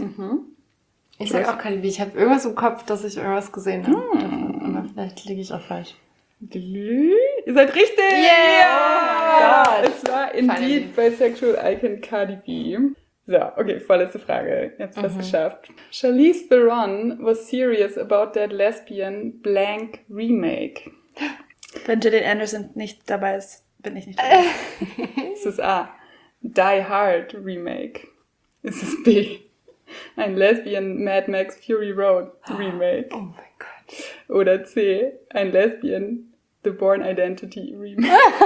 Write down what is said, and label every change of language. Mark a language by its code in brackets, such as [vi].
[de] Mhm. Ich sage auch Cardi B. Ich habe irgendwas im Kopf, dass ich irgendwas gesehen habe. Vielleicht liege ich auch falsch. Ihr seid richtig! [en] Yeah! Oh [de] es war [en] indeed [de] Bisexual Icon Cardi B. So, okay, vorletzte Frage. Jetzt fast geschafft. [en] Charlize Theron was serious about that lesbian blank remake. [de] Wenn Gillian Anderson nicht dabei ist, bin ich nicht dabei. Ist es A, Die Hard Remake? Ist es B, ein lesbian Mad Max Fury Road Remake? Oh mein Gott. Oder C, ein lesbian The Bourne Identity Remake?